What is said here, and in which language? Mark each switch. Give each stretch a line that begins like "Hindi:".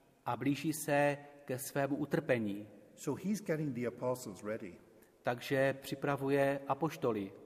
Czech: A blíží se ke svému utrpení.
English: So he's getting the apostles ready.
Czech: Takže připravuje apoštoly.